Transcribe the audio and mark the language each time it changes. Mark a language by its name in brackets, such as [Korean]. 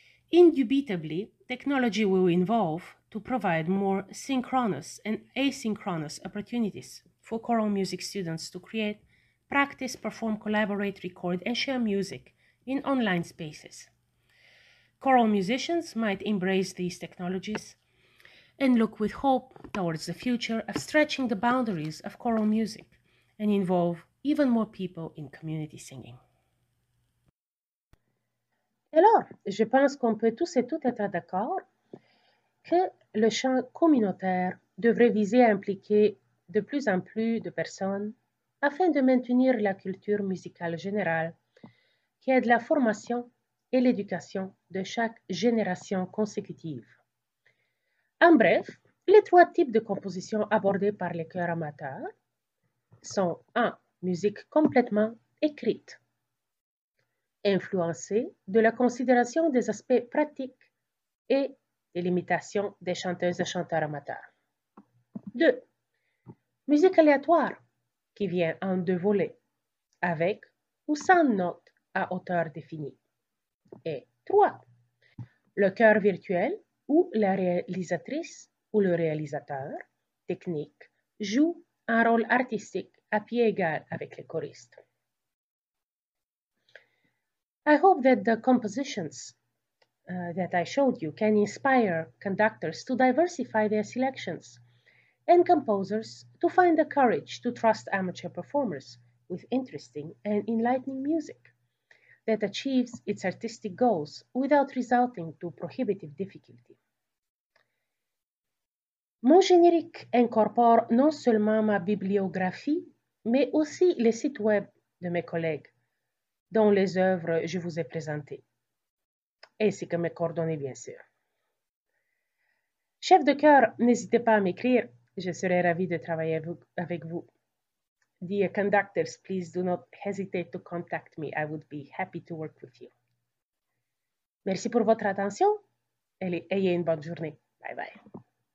[English] Indubitably, technology will evolve to provide more synchronous and asynchronous opportunities for choral music students to create, practice, perform, collaborate, record, and share music in online spaces. Choral musicians might embrace these technologies and look with hope towards the future of stretching the boundaries of choral music and involve even more people in community singing. [French] Alors, je pense qu'on peut tous et toutes être d'accord que le chant communautaire devrait viser à impliquer de plus en plus de personnes afin de maintenir la culture musicale générale qui aide la formation et l'éducation de chaque génération consécutive. En bref, les trois types de compositions abordées par les chœurs amateurs sont 1. Musique complètement écrite, influencée de la considération des aspects pratiques et des limitations des chanteuses et chanteurs amateurs. 2. Musique aléatoire, qui vient en deux volets, avec ou sans notes à hauteur définie. Et 3. Le chœur virtuel où la réalisatrice ou le réalisateur technique joue un rôle artistique à pied égal avec les choristes. [English] I hope that the compositions that I showed you can inspire conductors to diversify their selections and composers to find the courage to trust amateur performers with interesting and enlightening music that achieves its artistic goals without resulting to prohibitive difficulty. [French] Mon générique incorpore non seulement ma bibliographie, mais aussi les sites web de mes collègues, dont les œuvres je vous ai présentées, ainsi que mes coordonnées, bien sûr. Chef de chœur, n'hésitez pas à m'écrire, je serai ravie de travailler avec vous. [English] Dear conductors, please do not hesitate to contact me. I would be happy to work with you. [French] Merci pour votre attention et ayez une bonne journée. [English] Bye bye.